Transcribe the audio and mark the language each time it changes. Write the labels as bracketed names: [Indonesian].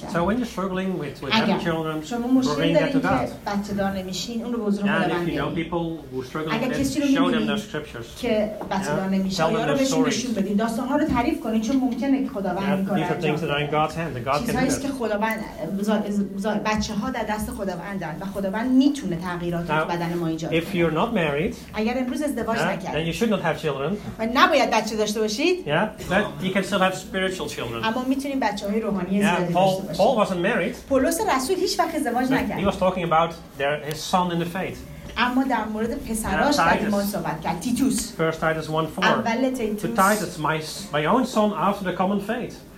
[English] So when you're struggling with having children, bring that to God. And if you know people who are struggling with it, show them their scriptures. Tell them their stories. These are things that are in God's hand. God can do it. [Persian] بچه‌ها در دست خداوندن و خداوند میتونه تغییرات رو بدن ما ایجاد کنه. [English] If you're not married, [Persian] اگر امروز ازدواج نکردید, [English] then you should not have children. [Persian] و نباید بچه داشته باشید. [English] Yeah, but you can still have spiritual children. [Persian] اما میتونیم بچه‌های روحانی زیادی داشته باشید. [English] Paul wasn't married. [Persian] پولس رسول هیچ وقت ازدواج نکرد. [English] He was talking about his son in the faith. [Persian] اما در مورد پسراش ایمان صحبت کرد. تیتوس. [English] First Titus 1:4. [Persian] اول تیتوس. [English] To Titus, my own son after the common faith.